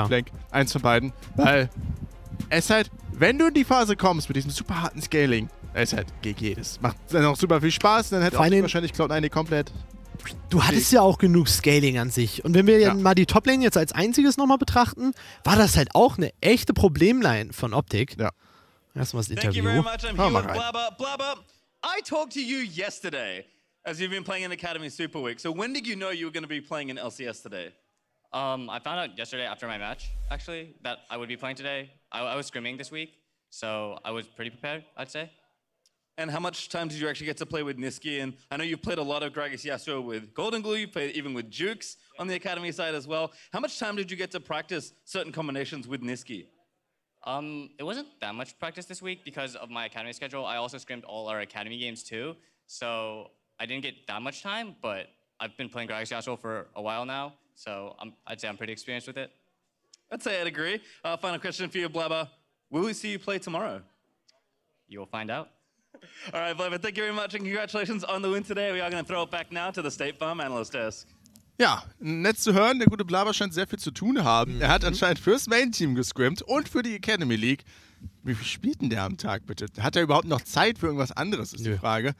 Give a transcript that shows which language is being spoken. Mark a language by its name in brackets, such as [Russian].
[German] Gangplank, eins von beiden, weil es halt, wenn du in die Phase kommst mit diesem super harten Scaling, es halt GG, das macht dann auch super viel Spaß und dann hätte auch wahrscheinlich Cloud9 komplett. Du hattest ja auch genug Scaling an sich und wenn wir ja mal die Toplane jetzt als einziges nochmal betrachten, war das halt auch eine echte Problemline von Optik. Ja. Erstmal das Interview. [English] Thank you very much, I'm here with Blabber. Blabber, I talked to you yesterday, as you've been playing in Academy Super Week, so when did you know you were going to be playing in LCS today? I found out yesterday after my match, actually, that I would be playing today. I was scrimming this week, so I was pretty prepared, I'd say. And how much time did you actually get to play with Niski? And I know you've played a lot of Gragas Yasuo with Golden Glue, you played even with Jukes on the Academy side as well. How much time did you get to practice certain combinations with Niski? It wasn't that much practice this week because of my Academy schedule. I also scrimmed all our Academy games too, so I didn't get that much time, but I've been playing Gragas Yasuo for a while now, so I'd say I'm pretty experienced with it. I'd say I'd agree. Final question for you, Blaba. Will we see you play tomorrow? You'll find out. All right, Blaba, thank you very much, and congratulations on the win today. We are going to throw it back now to the State Farm Analyst Desk. [German] Ja, nett zu hören, der gute Blaba scheint sehr viel zu tun haben. Mhm. Er hat anscheinend fürs Main-Team gescrimmt und für die Academy League. Wie viel spielt denn der am Tag, bitte? Hat er überhaupt noch Zeit für irgendwas anderes, ist die Frage.